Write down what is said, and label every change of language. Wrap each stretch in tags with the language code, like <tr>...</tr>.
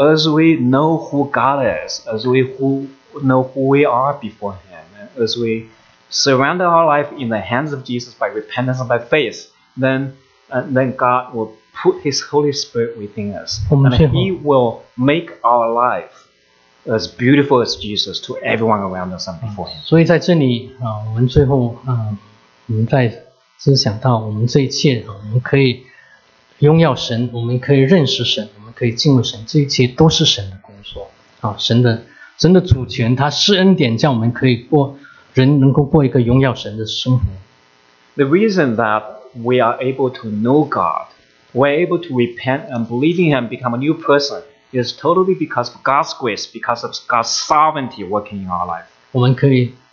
<en>as we know who God is, as we know who we are before Him, as we surrender our life in the hands of Jesus by repentance and by faith, then God will put His Holy Spirit within us. And He will make our life as beautiful as Jesus to everyone around us and before Him.</en> <zh>所以在这里，我们最后，我们在思想到我们这一切，我们可以荣耀神，我们可以认识神，我们可以敬畏神，这一切都是神的工作。神的主权，他施恩典，叫我们可以过。</zh> <en>The reason that we are able to know God, we're able to repent and believe in Him, become a new person, is totally because of God's grace, because of God's sovereignty working in our life.</en>